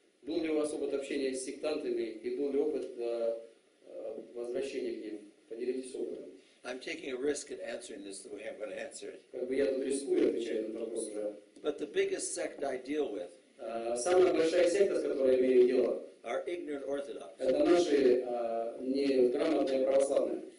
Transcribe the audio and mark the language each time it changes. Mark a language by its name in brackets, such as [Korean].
[Russian] Был ли у вас опыт общения с сектантами и был ли опыт возвращения к ним? Поделитесь опытом. [English] I'm taking a risk at answering this the way I'm going to answer it. [Russian] Как бы я тут рискую отвечать на вопрос. [English] But the biggest sect I deal with. [Russian] Самая большая секта, с которой я имею дело. [English] Are ignorant Orthodox. [Russian] Это наши неграмотные православные.